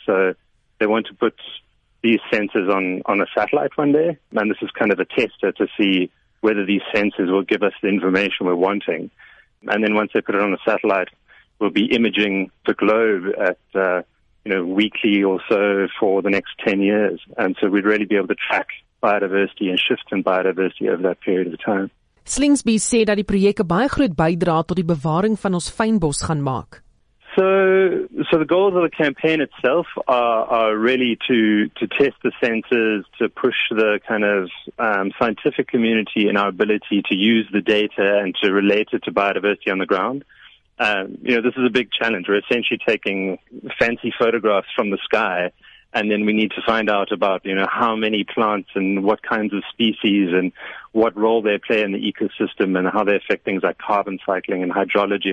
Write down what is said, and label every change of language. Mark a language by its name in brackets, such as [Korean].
[English] So they want to put these sensors on a satellite one day, and this is kind of a tester to see whether these sensors will give us the information we're wanting. And then once they put it on a satellite, we'll be imaging the globe at, weekly or so for the next 10 years. And so we'd really be able to track biodiversity and shift in biodiversity over that period of time. [Afrikaans] Slingsby sê dat die projek 'n baie groot bydrae tot die bewaring van ons fynbos gaan maak. [English] So the goals of the campaign itself are really to test the sensors, to push the kind of scientific community in our ability to use the data and to relate it to biodiversity on the ground. This is a big challenge. We're essentially taking fancy photographs from the sky, and then we need to find out about, how many plants and what kinds of species and what role they play in the ecosystem and how they affect things like carbon cycling and hydrology.